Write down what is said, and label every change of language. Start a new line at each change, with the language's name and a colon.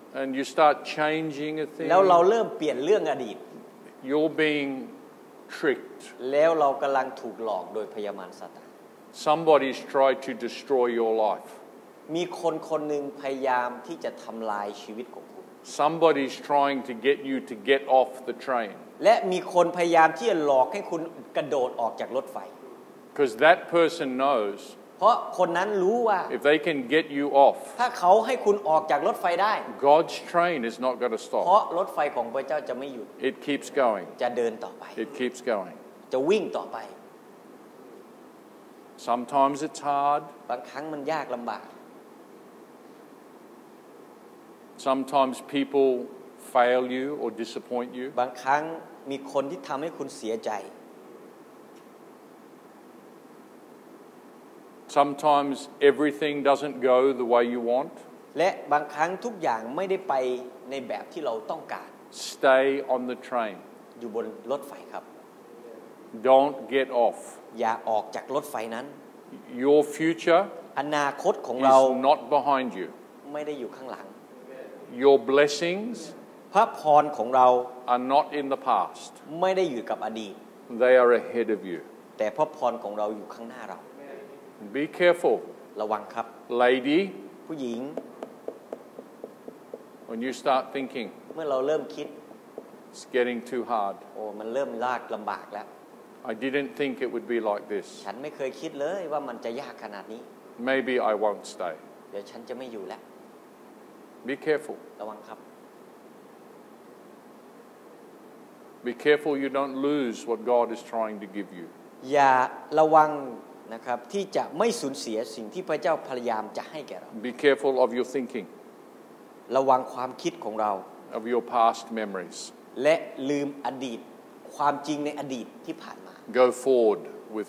English: And you start changing a thing.
Thai: แล้วเราเริ่มเปลี่ยนเรื่องอดีต
English: You're being tricked.
Thai: แล้วเรากำลังถูกหลอกโดยพยามารซาตาน
English: Somebody's tried to destroy your life.
Thai: มีคนคนหนึ่งพยายามที่จะทำลายชีวิตของคุณ
English: Somebody's trying to get you to get off the train.
Thai: และมีคนพยายามที่จะหลอกให้คุณกระโดดออกจากรถไฟ
English: Because that person knows.
Thai: เพราะคนนั้นรู้ว่า
English: If they can get you off.
Thai: ถ้าเขาให้คุณออกจากรถไฟได้
English: God's train is not going to stop.
Thai: เพราะรถไฟของพระเจ้าจะไม่หยุด
English: It keeps going.
Thai: จะเดินต่อไป
English: It keeps going.
Thai: จะวิ่งต่อไป
English: Sometimes it's hard.
Thai: บางครั้งมันยากลำบาก
English: Sometimes people fail you or disappoint you.
Thai: บางครั้งมีคนที่ทำให้คุณเสียใจ
English: Sometimes everything doesn't go the way you want.
Thai: และบางครั้งทุกอย่างไม่ได้ไปในแบบที่เราต้องการ
English: Stay on the train.
Thai: อยู่บนรถไฟครับ
English: Don't get off.
Thai: อย่าออกจากรถไฟนั้น
English: Your future
Thai: อนาคตของเรา
English: is not behind you.
Thai: ไม่ได้อยู่ข้างหลัง
English: Your blessings
Thai: พระพรของเรา
English: are not in the past.
Thai: ไม่ได้อยู่กับอดีต
English: They are ahead of you.
Thai: แต่พระพรของเราอยู่ข้างหน้าเรา
English: Be careful.
Thai: ระวังครับ
English: Lady.
Thai: ผู้หญิง
English: When you start thinking.
Thai: เมื่อเราเริ่มคิด
English: It's getting too hard.
Thai: โอ้มันเริ่มลากลำบากแล้ว
English: I didn't think it would be like this.
Thai: ฉันไม่เคยคิดเลยว่ามันจะยากขนาดนี้
English: Maybe I won't stay.
Thai: เดี๋ยวฉันจะไม่อยู่แล้ว
English: Be careful.
Thai: ระวังครับ
English: Be careful you don't lose what God is trying to give you.
Thai: อย่าระวังนะครับที่จะไม่สูญเสียสิ่งที่พระเจ้าพยายามจะให้แก่เรา
English: Be careful of your thinking.
Thai: ระวังความคิดของเรา
English: Of your past memories.
Thai: และลืมอดีตความจริงในอดีตที่ผ่านมา
English: Go forward with God.